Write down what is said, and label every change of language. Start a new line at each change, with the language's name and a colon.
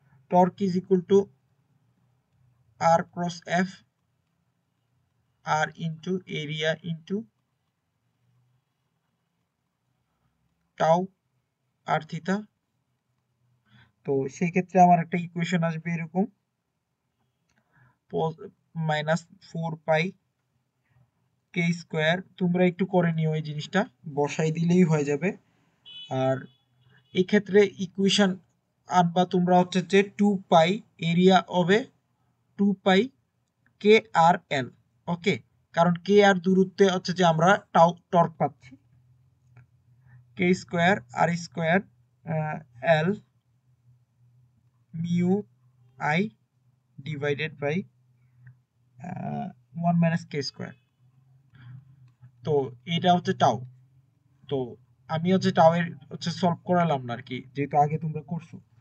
English: torque is equal to R cross F, R into area into tau R theta.
Bangla: तो সেই ক্ষেত্রে আমার একটা ইকুয়েশন আসবে এরকম
English: minus 4 pi k square.
Bangla: তোমরা একটু করে নিও এই জিনিসটা, বসাই দিলেই হয়ে যাবে। আর এই ক্ষেত্রে ইকুয়েশন আনবা তোমরা হচ্ছে যে 2 pi এরিয়া হবে 2 pi k r l, ওকে, কারণ k r দূরত্বে হচ্ছে যে আমরা tau টর্ক পাচ্ছি,
English: k square r square l mu I divided by 1 minus k square.
Bangla: তো এটা হচ্ছে tau. তো আমি হচ্ছে tau এর হচ্ছে সলভ করালাম না আর কি, যেহেতু আগে তোমরা করছো।